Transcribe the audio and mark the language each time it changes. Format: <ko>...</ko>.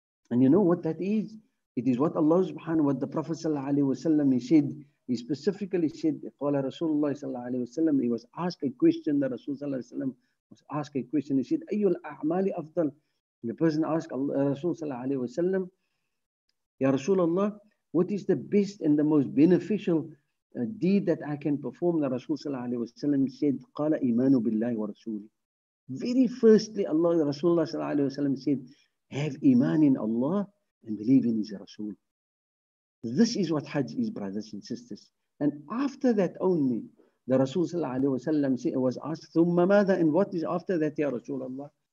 <en>And you know what that is? It is what Allah subhanahu wa ta'ala, the Prophet sallallahu alayhi wa sallam, he specifically said,</en> <ar>قَالَ رَسُولُ اللَّهِ صَلَّى اللَّهِ عَلَيْهِ وَسَلَّمَ.</ar> <en>He was asked a question. The Rasul صلى الله عليه وسلم was asked a question. He said,</en> <ar>أَيُّ الْأَعْمَالِ أَفْضَلْ.</ar> <en>The person asked the Rasul صلى الله عليه وسلم, Ya Rasulullah, what is the best and the most beneficial deed that I can perform? The Rasul صلى الله عليه وسلم said,</en> <ar>قَالَ إِمَانُ بِاللَّهِ وَرَسُولِ.</ar> <en>Very firstly, Allah, the Rasulullah صلى الله عليه وسلم said, have iman in Allah and believe in his Rasul. This is what Hajj is, brothers and sisters. And after that only, the Rasul sallallahu alayhi wa sallam was asked,</en> <ar>ثُمَّ مَاذَا,</ar> <en>and what is after that, Ya Rasulullah?</en>